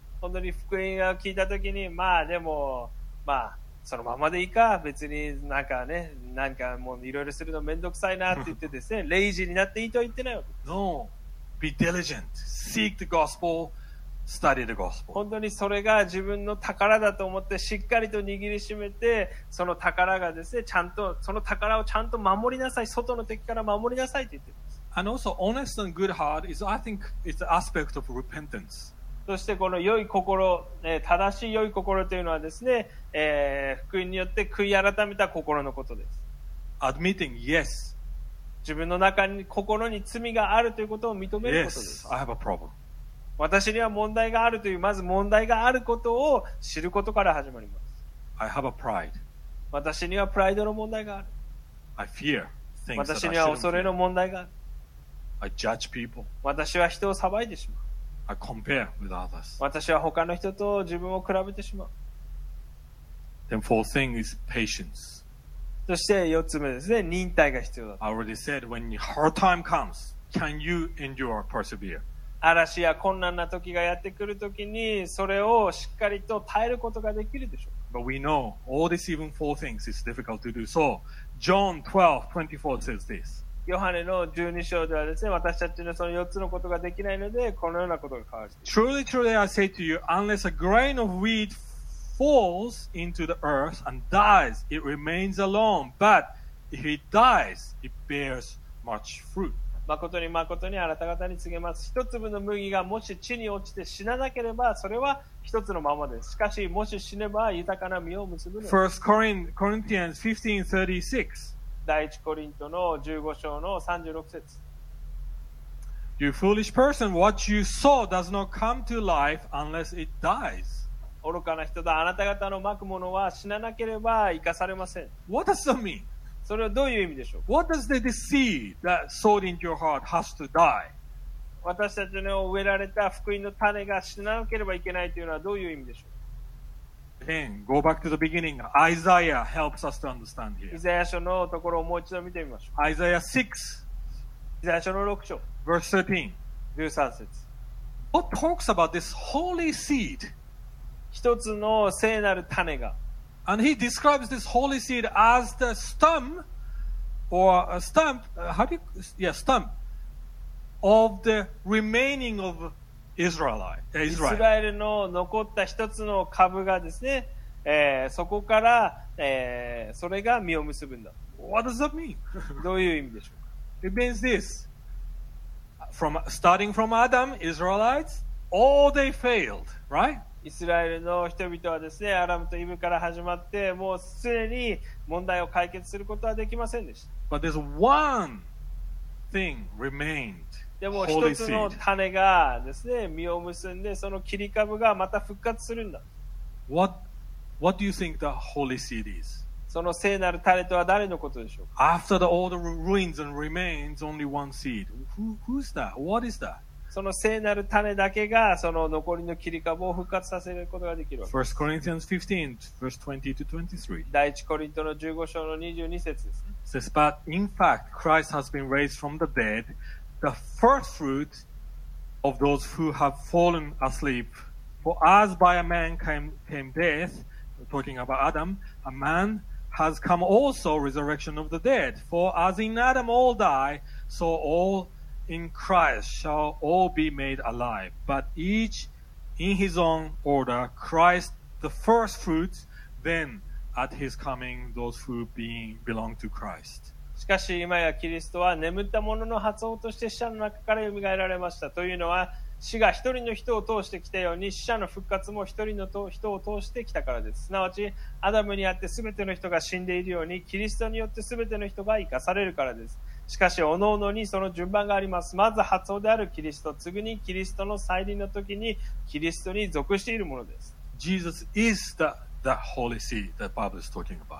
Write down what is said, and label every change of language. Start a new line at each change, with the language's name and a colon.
Japanese: 本当に福音を聞いたときに、まあでも、まあ、そのままでいいか。別になんかね、なんかもういろいろするのめんどくさいなって言ってですね、レイジーになっていいとは言ってないわけです。
English: No! Be diligent. Seek the gospel. Study the gospel.
Japanese: 本当にそれが自分の宝だと思ってしっかりと握りしめて、その宝がですね、ちゃんとその宝をちゃんと守りなさい、外の敵から守りなさいと言っています。
English: And also, honest and good heart is, I think, it's the aspect of repentance.
Japanese: そしてこの良い心、正しい良い心というのはですね、福音によって悔い改めた心のことです。
English: Admitting, yes.
Japanese: 自分の中に心に罪があるということを認めることです。
English: Yes, I have a problem.
Japanese: 私には問題があるという、まず問題があることを知ることから始まります。
English: I have a pride.
Japanese: 私にはプライドの問題がある。
English: I fear things.
Japanese: 私には恐れの問題がある。
English: I judge people.
Japanese: 私は人を裁いてしまう。
English: I compare with others.
Japanese: 私は他の人と自分を比べてしまう。
English: Then fourth thing is patience.
Japanese: そして四つ目ですね、忍耐が必要だと。
English: I already said when the hard time comes, can you endure or persevere?
Japanese: 嵐や困難な時がやってくる時にそれをしっかりと耐えることができるでしょう。
English: But we know all these even four things is difficult to do. So John 12:24 says this.
Japanese: ヨハネの12章ではですね、私たちのその4つのことができないので、このようなことが変わっています。
English: Truly, truly, I say to you, unless a grain of wheat falls into the earth and dies, it remains alone. But if it dies, it bears much fruit.
Japanese: 誠に誠にあなた方に告げます。一粒の麦がもし地に落ちて死ななければ、それは一つのままです。しかし、もし死ねば豊かな実を結ぶのです。
English: First Corinthians 15:36
Japanese: 第1コリントの15章の36節。
English: You foolish person, what you sow does not come to life unless it dies.
Japanese: 愚かな人だ、あなた方のまくものは死ななければ生かされません。
English: What does that mean?
Japanese: それはどういう意味でしょう。
English: What does the seed that sowed into your heart has to die?
Japanese: 私たちの植えられた福音の種が死ななければいけないというのはどういう意味でしょう。
English: Then go back to the beginning. Isaiah helps us to understand here.
Japanese: Isaiah 書のところをもう一度見てみましょう。
English: Isaiah 6.
Japanese: Isaiah 書の6章。
English: Verse
Japanese: 13. 13節。
English: What talks about this holy seed?
Japanese: 一つの聖なる種が。
English: And he describes this holy seed as the stump or a stump. Stump of the remaining of.
Japanese: イスラエルの残った一つの株がですね、そこから、それが実を結ぶんだ。
English: What does that mean?
Japanese: どういう意味でしょうか。
English: It means this. From, starting from Adam, Israelites, all they failed, right?
Japanese: イスラエルの人々はですね、アダムとイブから始まって、もうすでに問題を解決することはできませんでした。
English: But there's one thing remained.
Japanese: でも一つの種がですね、実を結んで、その切り株がまた復活するんだ。
English: What do you think the holy seed is?
Japanese: その聖なる種とは誰のことでしょうか。
English: After the all the ruins and remains, only one seed. Who's that? What is that?
Japanese: その聖なる種だけが、その残りの切り株を復活させることができるわけです。
English: First Corinthians 15:20-23.
Japanese: 第1コリントの15章の22節ですね。
English: Says, but in fact, Christ has been raised from the dead. The first fruit of those who have fallen asleep. For as by a man came death, talking about Adam, a man has come also resurrection of the dead. For as in Adam all die, so all in Christ shall all be made alive. But each in his own order, Christ the first fruit, then at his coming, those who belong to Christ.
Japanese: しかし今やキリストは眠った者の発音として死者の中から蘇られました。というのは死が一人の人を通してきたように死者の復活も一人の人を通してきたからです。すなわちアダムにあって全ての人が死んでいるようにキリストによって全ての人が生かされるからです。しかし各々にその順番があります。まず発音であるキリスト、次にキリストの再臨の時にキリストに属しているものです。
English: Jesus is theThat holy seed that Bible is talking about.